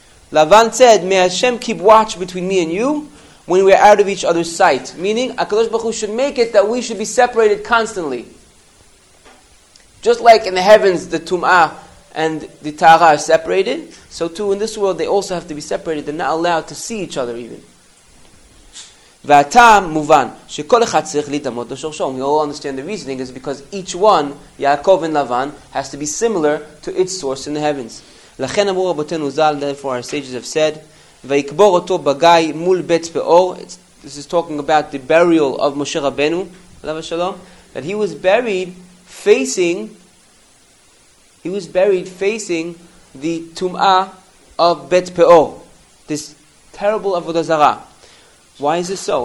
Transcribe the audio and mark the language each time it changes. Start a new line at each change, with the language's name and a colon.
English: Lavan said, may Hashem keep watch between me and you when we are out of each other's sight. Meaning, HaKadosh Baruch Hu should make it that we should be separated constantly. Just like in the heavens, the Tum'ah and the Tahara are separated, so too in this world they also have to be separated. They're not allowed to see each other even.
Hebrew: והטעם מובן שכל אחד צריך להתעמוד לשורשו.
English: We all understand the reasoning is because each one, Yaakov and Lavan, has to be similar to its source in the heavens.
Hebrew: לכן אמרו רבותינו זל,
English: therefore our sages have said,
Hebrew: ויקבור אותו בגי מול בית פאור.
English: This is talking about the burial of Moshe Rabbeinu,
Hebrew: עליו השלום,
English: that he was buried facing the Tum'ah of בית פאור. This terrible Avodah Zarah. Why is this so?